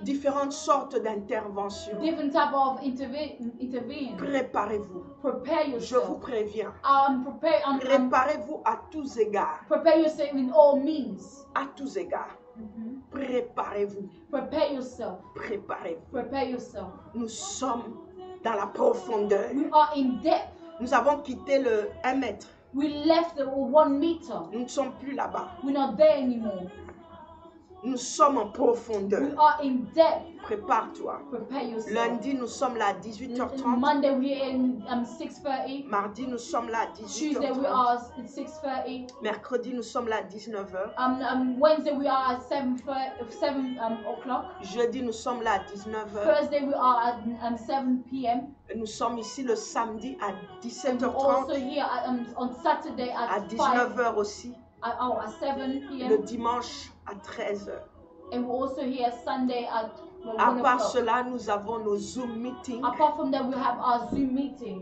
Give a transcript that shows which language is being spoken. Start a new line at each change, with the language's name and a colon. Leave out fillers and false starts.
French: différentes sortes d'interventions.
English: Different type of intervention.
French: Préparez-vous.
English: Prepare yourself.
French: Je vous préviens. Préparez-vous à tous égards.
English: Prepare yourself in all means.
French: À tous égards. Préparez-vous.
English: Prepare yourself.
French: Préparez-vous.
English: Prepare yourself.
French: Nous sommes dans la profondeur.
English: We are in depth.
French: Nous avons quitté le 1 mètre.
English: We left the 1 meter.
French: Nous ne sommes plus là-bas.
English: We're not there anymore.
French: Nous sommes en profondeur.
English: We are in depth.
French: Prépare-toi.
English: Prepare yourself.
French: Lundi, nous sommes là à 18h30.
English: Monday, we are in 6:30.
French: Mardi, nous sommes là à 18h30.
English: Tuesday, we are at 6:30.
French: Mercredi, nous sommes là à 19h.
English: Wednesday, we are at 7 o'clock.
French: Jeudi, nous sommes là à 19h.
English: Thursday, we are at 7 p.m.
French: Et nous sommes ici le samedi à 17h30.
English: And we're also here on Saturday at
French: 19h aussi.
English: At 7 p.m.
French: Le dimanche à 13h.
English: And we're also here Sunday at 1
French: À part cela, nous avons nos Zoom meetings.
English: Apart from that, we have our Zoom meeting.